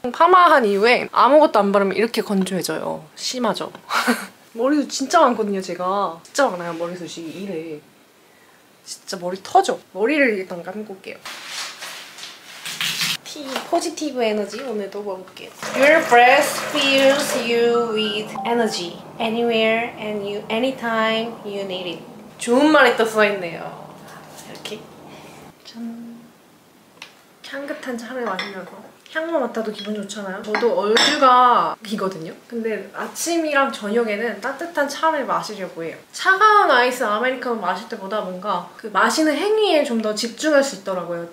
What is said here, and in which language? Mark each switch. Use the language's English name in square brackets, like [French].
[Korean] 파마한 이후에 아무것도 안 바르면 이렇게 건조해져요. 심하죠? 머리도 진짜 많거든요, 제가. 진짜 많아요, 머리숱이. 이래. 진짜 머리 터져. 머리를 일단 감고 올게요. 포지티브 에너지 오늘도 먹을게요. [English] Your breath fills you with energy anywhere and you anytime you need it. [Korean] 좋은 말이 또 써있네요. 이렇게 짠. 향긋한 차를 마시면서 향만 맡아도 기분 좋잖아요. 저도 얼굴가 기거든요. 근데 아침이랑 저녁에는 따뜻한 차를 마시려고 해요. 차가운 아이스 아메리카노 마실 때보다 뭔가 그 마시는 행위에 좀 더 집중할 수 있더라고요.